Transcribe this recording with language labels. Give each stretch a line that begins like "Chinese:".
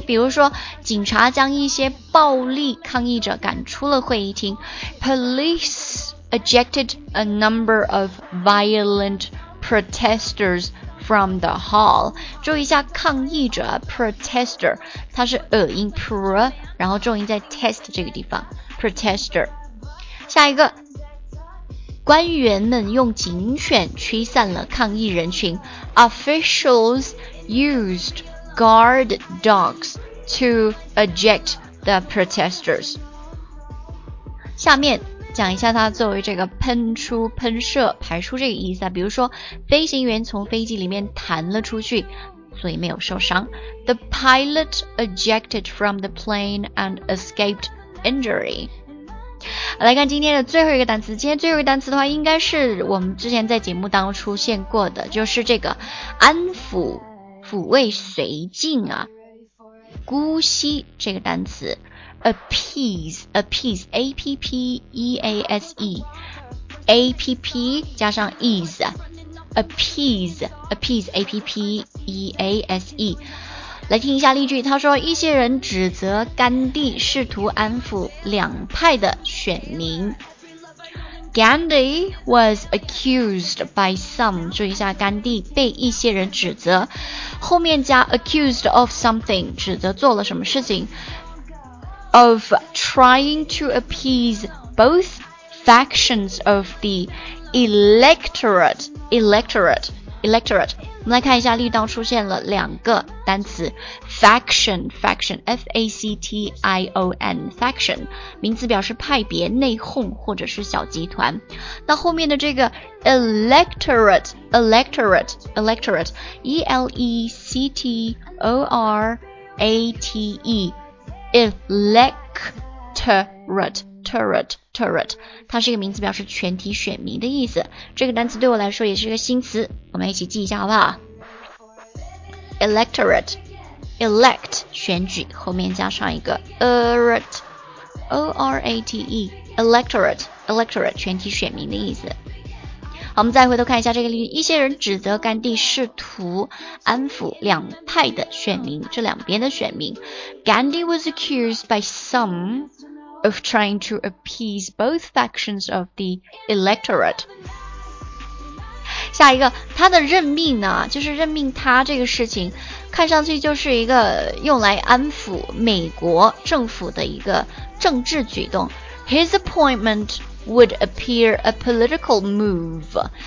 Chinese: 比如说警察将一些暴力抗议者赶出了会议厅。
English: Police ejected a number of violent protesters from the hall.
Chinese: 注意一下抗议者 protester, 它是音 pr, 然后重音在 test 这个地方 protester. 下一个，官员们用警犬驱散了抗议人群。
English: Officials usedGuard dogs to eject the protesters.
Chinese: 下面讲一下它作为这个喷出、喷射、排出这个意思啊。比如说，飞行员从飞机里面弹了出去，所以没有受伤。
English: The pilot ejected from the plane and escaped injury.
Chinese: 来看今天的最后一个单词。今天最后一个单词的话，应该是我们之前在节目当中出现过的，就是这个安抚。抚慰随境啊，姑息这个单词 appease appease app 加上 ease appease appease 来听一下例句。他说，一些人指责甘地试图安抚两派的选民。
English: Gandhi was accused by some,
Chinese: 注意一下甘地被一些人指责，后面加
English: accused of something,
Chinese: 指责做了什么事情。
English: Of trying to appease both factions of the electorate.
Chinese: 我们来看一下例当出现了两个单词。 Faction, F-A-C-T-I-O-N, Faction, 名词表示派别、内讧或者是小集团。那后面的这个 Electorate, E-L-E-C-T-O-R-A-T-E, Electorate, 它是一个名词，表示全体选民的意思。这个单词对我来说也是一个新词，我们一起记一下好不好？ Electorate, elect 选举，后面加上一个 orate, electorate 全体选民的意思。好，我们再回头看一下这个例句。一些人指责甘地试图安抚两派的选民，这两边的选民。
English: Gandhi was accused by some. Of trying to appease both factions of the electorate.
Chinese: 下一个，他的任命呢，就是任命他这个事情，看上去就是一个用来安抚美国政府的一个政治举动。
English: His appointment would appear a political move.